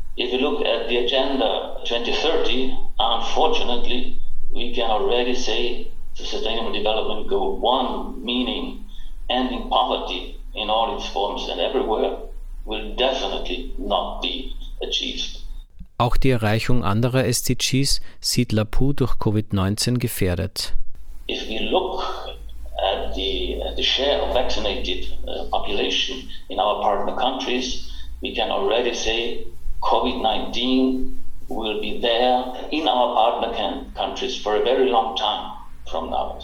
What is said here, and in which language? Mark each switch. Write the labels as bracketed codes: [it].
[en] If you look at the agenda 2030, unfortunately, we can already say the Sustainable Development Goal 1, meaning ending poverty in all its forms and everywhere, will definitely not be achieved. [de] Auch die Erreichung anderer SDGs sieht Lapoux durch Covid-19 gefährdet. [en] If we look at the share of vaccinated population in our partner countries, we can already say COVID-19 will be there in our partner countries for a very long time from now.